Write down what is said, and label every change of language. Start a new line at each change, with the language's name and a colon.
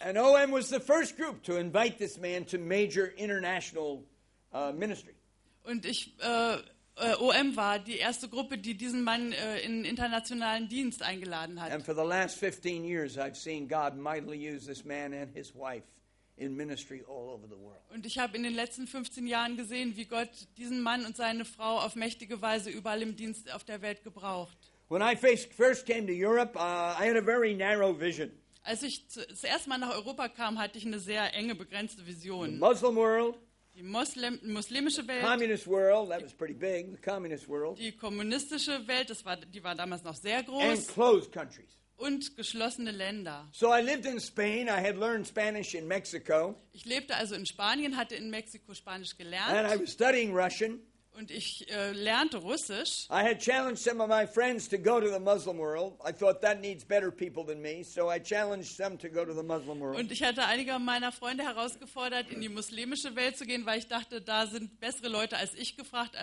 English: And OM was the first group to invite this man to major international ministry.
German: Und ich OM war die erste Gruppe, die diesen Mann in internationalen Dienst eingeladen hat.
English: And for the last 15 years I've seen God mightily use this man and his wife in ministry all over the world.
German: Und ich habe in den letzten 15 Jahren gesehen, wie Gott diesen Mann und seine Frau auf mächtige Weise überall im Dienst auf der Welt gebraucht.
English: When I first came to Europe, I had a very narrow vision.
German: Als ich das erste Mal nach Europa kam, hatte ich eine sehr enge, begrenzte Vision.
English: The Muslim world.
German: Die muslimische Welt,
English: communist world, that was pretty big, the communist world.
German: Die kommunistische Welt, die war damals noch sehr groß.
English: And closed countries.
German: Und geschlossene Länder.
English: So I lived in Spain, I had learned Spanish in Mexico.
German: Ich lebte also in Spanien, hatte in Mexiko Spanisch gelernt.
English: And I was studying Russian.
German: Und ich lernte Russisch.
English: I had challenged some of my friends to go to the Muslim world. I thought that needs better people than me, so I challenged them to go to the Muslim world.
German: Und ich hatte einige meiner Freunde herausgefordert, in die muslimische Welt zu gehen, weil ich dachte, da sind bessere Leute als ich gefragt.